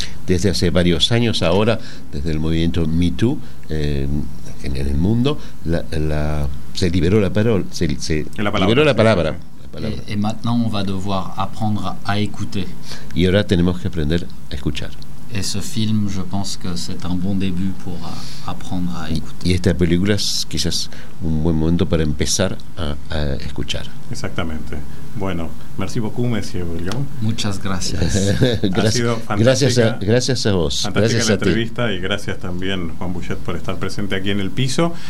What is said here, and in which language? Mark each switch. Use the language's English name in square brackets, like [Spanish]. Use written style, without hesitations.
[Spanish] Desde hace varios años ahora, desde el movimiento MeToo en el mundo, se liberó la parole, se liberó la palabra. [French] Et maintenant on va devoir apprendre à écouter. [Spanish] Y ahora tenemos que aprender a escuchar. [French] Et ce film, je pense que c'est un bon début pour apprendre à écouter. [Spanish] Y esta película es quizás un buen momento para empezar a escuchar. Exactamente. Bueno, [French] merci beaucoup, monsieur [Spanish] Bouillon. Muchas gracias. Gracias a vos. Fantástica la entrevista y gracias también, Juan Bouillet, por estar presente aquí en el piso.